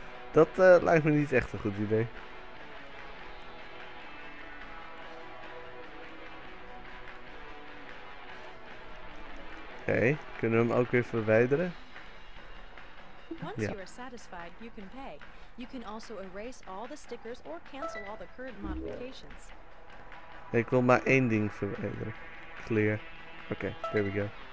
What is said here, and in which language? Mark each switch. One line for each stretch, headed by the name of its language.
Dutch: Dat lijkt me niet echt een goed idee. Oké, kunnen we hem ook weer verwijderen?
English: Once you are satisfied, you can pay. You can also erase all the stickers or cancel all the current modifications.
Dutch: Ik wil maar één ding verwijderen. Clear. Oké,
English: there we go.